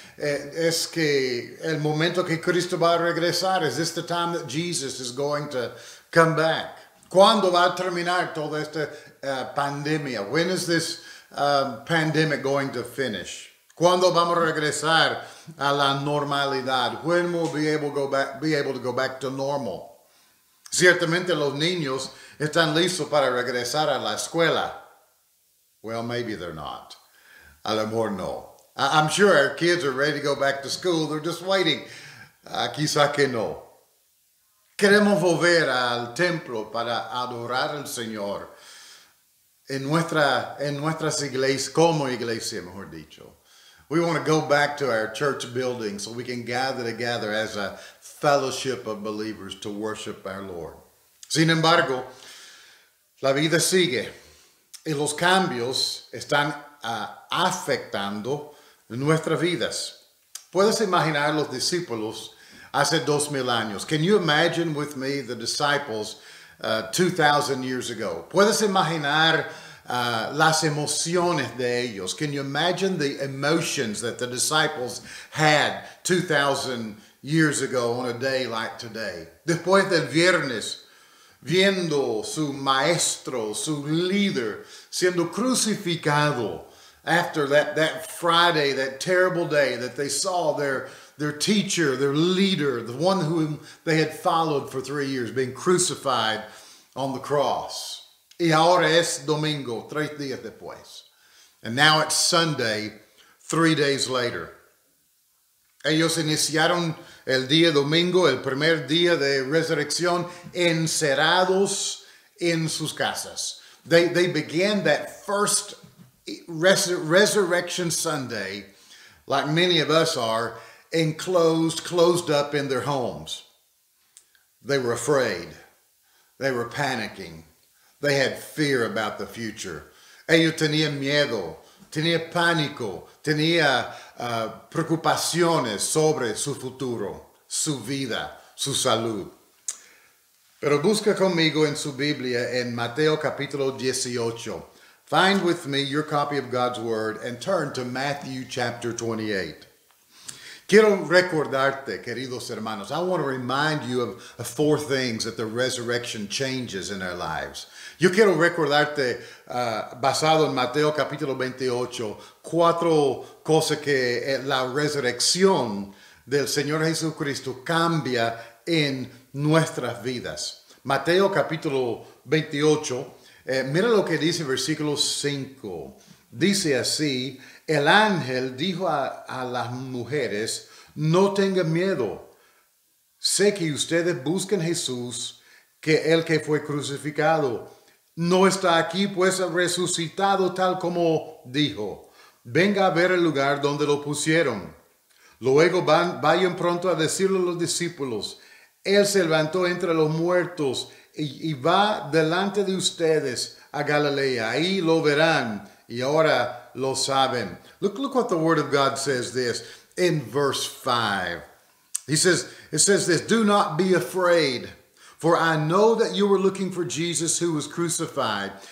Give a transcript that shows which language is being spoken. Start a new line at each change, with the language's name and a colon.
Spanish: Es que el momento que Cristo va a regresar?
English: Is this the time that Jesus is going to come back?
Spanish: ¿Cuándo va a terminar toda esta pandemia?
English: When is this pandemic going to finish?
Spanish: ¿Cuándo vamos a regresar a la normalidad?
English: When will we be able to go back to normal?
Spanish: Ciertamente los niños están listos para regresar a la escuela.
English: Well, maybe they're not.
Spanish: A lo mejor no.
English: I'm sure our kids are ready to go back to school. They're just waiting.
Spanish: Quizá que no. Queremos volver al templo para adorar al Señor en nuestras iglesias, como iglesia, mejor dicho.
English: We want to go back to our church building so we can gather together as a fellowship of believers to worship our Lord.
Spanish: Sin embargo, la vida sigue. Y los cambios están afectando nuestras vidas. ¿Puedes imaginar los discípulos hace 2,000 años?
English: Can you imagine with me the disciples 2,000 years ago?
Spanish: ¿Puedes imaginar las emociones de ellos?
English: Can you imagine the emotions that the disciples had 2,000 years ago on a day like today?
Spanish: Después del viernes, viendo su maestro, su líder, siendo crucificado.
English: After that Friday, that terrible day that they saw their teacher, their leader, the one whom they had followed for 3 years, being crucified on the cross.
Spanish: Y ahora es domingo, 3 días después.
English: And now it's Sunday, 3 days later.
Spanish: Ellos iniciaron el día domingo, el primer día de resurrección, encerrados en sus casas.
English: They began that first resurrection Sunday, like many of us are, closed up in their homes. They were afraid. They were panicking. They had fear about the future.
Spanish: Ellos tenían miedo, tenían pánico, tenían preocupaciones sobre su futuro, su vida, su salud. Pero busca conmigo en su Biblia en Mateo capítulo 18.
English: Find with me your copy of God's Word and turn to Matthew chapter 28.
Spanish: Quiero recordarte, queridos hermanos,
English: I want to remind you of four things that the resurrection changes in our lives.
Spanish: Yo quiero recordarte, basado en Mateo capítulo 28, cuatro cosas que la resurrección del Señor Jesucristo cambia en nuestras vidas. Mateo capítulo 28, mira lo que dice versículo 5. Dice así, el ángel dijo a las mujeres, no tengan miedo. Sé que ustedes buscan Jesús, que el que fue crucificado no está aquí, pues resucitado tal como dijo. Venga a ver el lugar donde lo pusieron. Luego vayan pronto a decirle a los discípulos, él se levantó entre los muertos y va delante de ustedes a Galilea. Ahí lo verán. Y ahora lo saben.
English: Look what the word of God says this in verse 5. It says this, do not be afraid, for I know that you were looking for Jesus who was crucified.